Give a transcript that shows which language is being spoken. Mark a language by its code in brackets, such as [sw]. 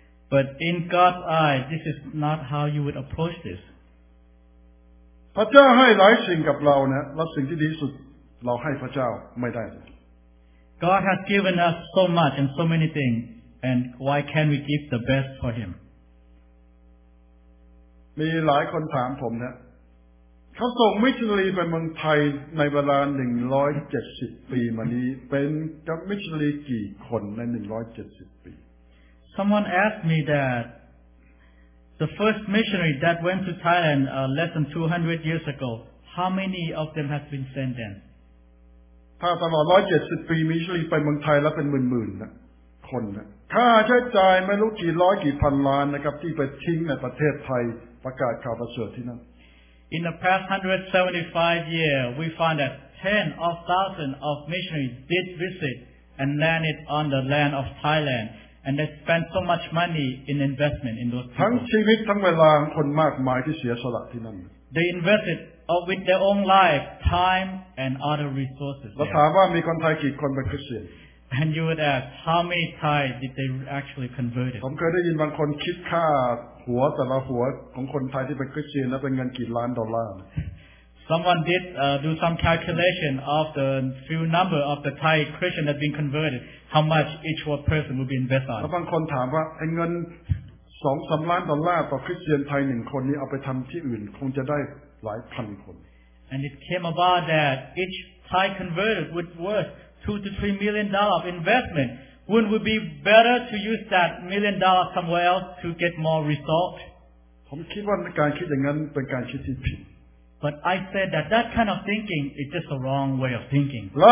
[en] But in God's eye, this is not how you would approach this. God has given us so much and so many things, and why can't we give the best for Him? There are many people ask me, [th] เขาส่งมิชชันนารีไปเมืองไทยในเวลา170ปีมานี้เป็นกับมิชชันนารีกี่คนใน170ปี [en] Someone asked me that the first missionary that went to Thailand less than 200 years ago how many of them have been sent then [th] ถ้าตลอด170ปีมิชชันนารีไปเมืองไทยแล้วเป็นหมื่นๆนะคนนะค่าใช้จ่ายไม่รู้กี่ร้อยกี่พันล้านนะครับที่ไปทิ้งในประเทศไทยประกาศข่าวประเสริฐที่นั่น [en] In the past 175 years, we find that 10 of thousands of missionaries did visit and landed on the land of Thailand. and they spend so much money in investment in those people. [th] ทั้งชีวิตทั้งเวลาคนมากมายที่เสียสละที่นั่น [en] They invested with their own life, time, and other resources. [th] เราถามว่ามีคนไทยกี่คนเป็นคริสเตียน [en] And you would ask how many Thai did they actually convert? [th] ผมเคยได้ยินบางคนคิดค่าหัวแต่ละหัวของคนไทยที่เป็นคริสเตียนแล้วเป็นเงินกี่ล้านดอลลาร์ [en] Someone did do some calculation of the few number of the Thai Christian that been converted. How much each one person would be invested on? [th] บางคนถามว่าไอ้เงิน 2-3 ล้านดอลลาร์ต่อคริสเตียนไทย1คนนี้เอาไปทําที่อื่นคงจะได้หลายพันคน [en] And it came about that each Thai converted would worth 2 to 3 million dollars of investment. Wouldn't would be better to use that million dollars somewhere else to get more result? [th] ผมคิดว่าการคิดอย่างนั้นเป็นการคิดที่ผิด [en] But I said that that kind of thinking is just a wrong way of thinking.